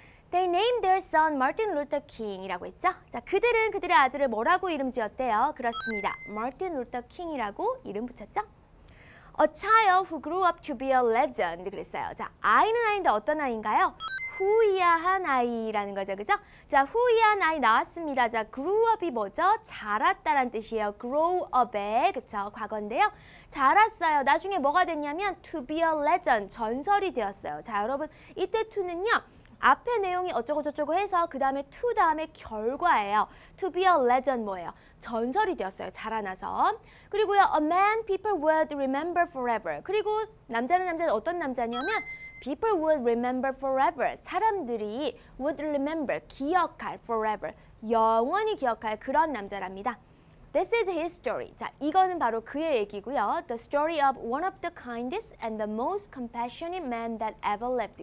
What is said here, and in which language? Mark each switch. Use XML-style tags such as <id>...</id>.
<en>They named their son Martin Luther King</en> <ko>이라고 했죠. 자, 그들은 그들의 아들을 뭐라고 이름 지었대요? 그렇습니다. Martin Luther King이라고 이름 붙였죠.</ko> <en>A child who grew up to be a legend</en> <ko>그랬어요. 자, 아이는 아닌데 어떤 아이인가요? 후이한 아이라는 거죠, 그죠? 자, 후이한 아이 나왔습니다. 자, grew up이 뭐죠? 자랐다란 뜻이에요. grow up에, 그쵸? 과거인데요. 자랐어요. 나중에 뭐가 됐냐면</ko> <en>to be a legend,</en> <ko>전설이 되었어요. 자, 여러분, 이때 to는요. 앞에 내용이 어쩌고저쩌고 해서 그 다음에 to 다음에 결과예요.</ko> <en>To be a legend</en> <ko>뭐예요? 전설이 되었어요. 자라나서. 그리고요,</ko> <en>a man people would remember forever.</en> <ko>그리고 남자는 남자는 어떤 남자냐면</ko> <en>People would remember forever.</en> <ko>사람들이</ko> <en>would remember,</en> <ko>기억할 forever. 영원히 기억할 그런 남자랍니다.</ko> <en>This is his story.</en> <ko>자, 이거는 바로 그의 얘기고요.</ko> <en>The story of one of the kindest and the most compassionate men that ever lived.</en>